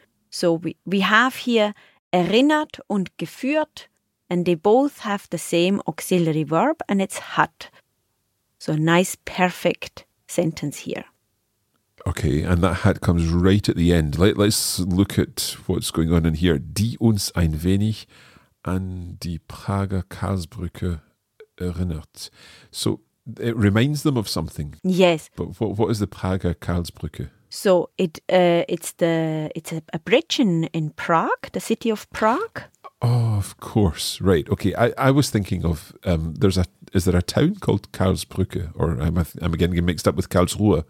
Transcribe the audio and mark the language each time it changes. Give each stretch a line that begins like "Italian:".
English: So we have here erinnert und geführt, and they both have the same auxiliary verb, and it's hat. So a nice perfect sentence here. Okay, and that hat comes right at the end. Let's look at what's going on in here.
German: Die uns ein wenig an die Prager Karlsbrücke erinnert.
English: So it reminds them of something. Yes. But what is the Prager Karlsbrücke? So it's a bridge in Prague, the city of Prague. Oh, of course. Right. Okay. I was thinking of is there a town called Karlsbrücke, or I'm again getting mixed up with Karlsruhe.